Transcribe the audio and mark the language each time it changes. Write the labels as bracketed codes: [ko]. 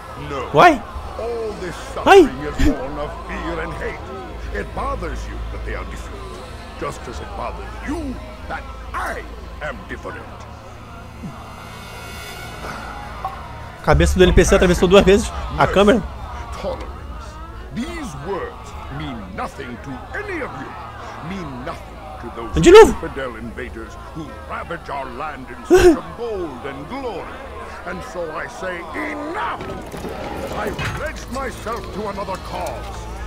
[en] No. Why? All this suffering is born of fear and hate. It bothers you that they are different. Just as it bothers you that I am different. [pt] Cabeça do NPC atravessou duas vezes a câmera. [en] Tolerance. These words mean nothing to any of you. Mean nothing to those infidel invaders who ravage our land in search of gold and glory. And so I say enough! I've pledged myself to another cause.